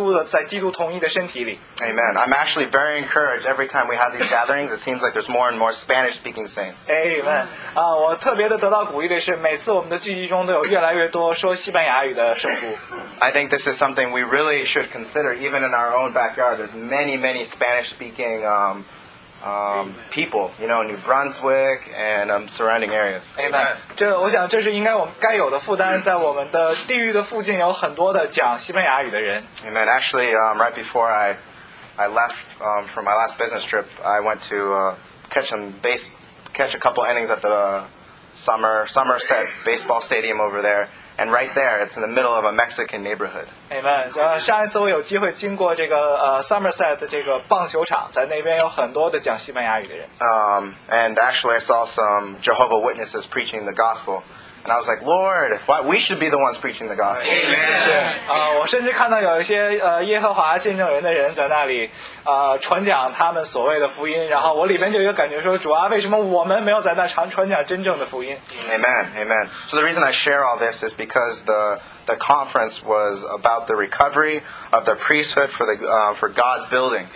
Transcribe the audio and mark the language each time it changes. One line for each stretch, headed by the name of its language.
Chinese: 看到在新泽西的众教会，不仅仅是按照不是按照语言来分别，而是基督的在基督同一的身体里。Amen.
English: I'm actually very encouraged every time we have these gatherings. It seems like there's more and more Spanish-speaking saints. Amen.
Chinese: 我特别的得到鼓励的是，每次我们的聚集中都有越来越多说西班牙语的圣徒。I
English: think this is something we really should consider, even in our own backyard. There's many Spanish-speaking. People, you know, New Brunswick and surrounding areas. Amen.
Chinese: 这我想这是应该我们该有的负担，在我们的地域的附近有很多的讲西班牙语的人。
English: Amen. Actually, right before I left for my last business trip, I went to catch a couple innings at the Somerset baseball stadium over there. And right there, it's in the middle of a Mexican neighborhood.
Chinese: Amen. 上一次我有机会经过这个 Somerset 这个棒球场，在那边有很多的讲西班牙语的人。
English: And actually, I saw some Jehovah Witnesses preaching the gospel, and I was like, Lord, why we should be the ones preaching the gospel? Amen.
Chinese: 我甚至看到有一些耶和华见证人的人在那里传讲他们所谓的福音，然后我里面就有感觉说，主啊，为什么我们没有在那传讲真正的福音？
English: Amen. Amen. So the reason I share all this is because the conference was about the recovery of the priesthood for God's building.